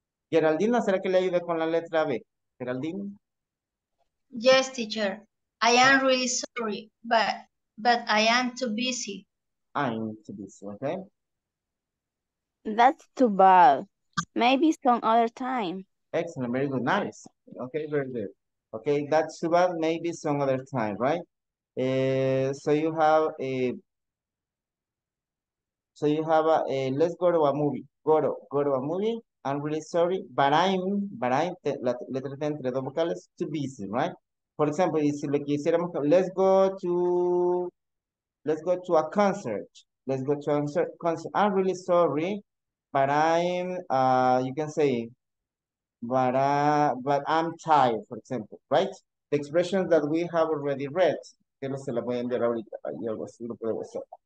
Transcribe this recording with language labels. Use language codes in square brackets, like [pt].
[es] Geraldina, ¿será que le ayude con la letra B? Geraldina. [en] Yes, teacher. I am really sorry, but I am too busy. I'm too busy, okay. That's too bad. Maybe some other time. Excellent, very good, nice. Okay, very good. Okay, that's too bad, maybe some other time, right? So you have a let's go to a movie. Go to a movie. I'm really sorry, but I'm [es] la letra T entre dos vocales, [en] too busy, right? For example, [es] si le quisiéramos, [en] let's go to a concert. Let's go to a concert. I'm really sorry, but I'm tired, for example, right? The expression that we have already read. [es] Que no se la voy a enviar ahorita, y algo así, grupo de WhatsApp.